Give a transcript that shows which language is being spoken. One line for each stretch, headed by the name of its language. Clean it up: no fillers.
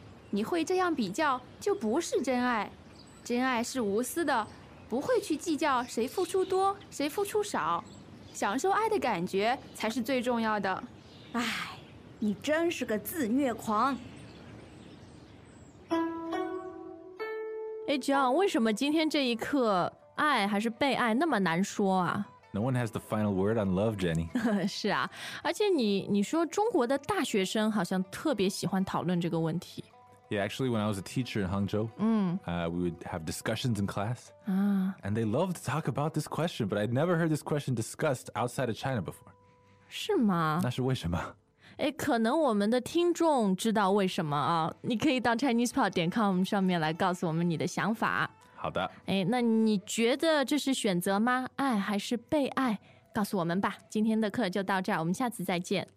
Chinese: 你会这样比较就不是真爱。真爱是无私的，不会去计较谁付出多谁付出少，享受爱的感觉才是最重要的。唉，你真是个自虐狂。哎，John，为什么今天这一课爱还是被爱那么难说啊？
English: No one has the final word on love, Jenny.
Chinese: 是啊，而且你说中国的大学生好像特别喜欢讨论这个问题。
English: Yeah, actually, when I was a teacher in Hangzhou, we would have discussions in class. And they loved to talk about this question, but I'd never heard this question discussed outside of China before.
Chinese: 是吗？那是为什么？哎，可能我们的听众知道为什么啊？你可以到 ChinesePod.com 上面来告诉我们你的想法。好的。哎，那你觉得这是选择吗？爱还是被爱？告诉我们吧。今天的课就到这儿，我们下次再见。